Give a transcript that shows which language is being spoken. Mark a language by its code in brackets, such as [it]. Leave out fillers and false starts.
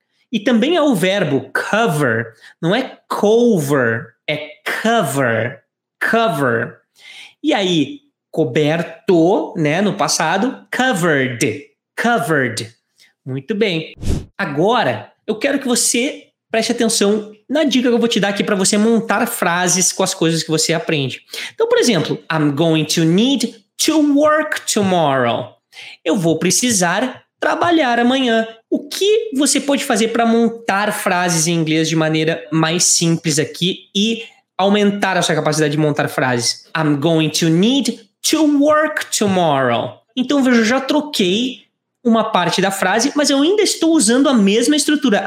[pt] E também é o verbo cover, não é cover, é cover, cover. E aí, coberto, né, no passado, covered, covered. Muito bem. Agora, eu quero que você preste atenção na dica que eu vou te dar aqui para você montar frases com as coisas que você aprende. [en] Então, por exemplo, I'm going to need to work tomorrow. [pt] Eu vou precisar trabalhar amanhã. O que você pode fazer para montar frases em inglês de maneira mais simples aqui e aumentar a sua capacidade de montar frases? [en] I'm going to need to work tomorrow. [pt] Então, veja, eu já troquei uma parte da frase, mas eu ainda estou usando a mesma estrutura.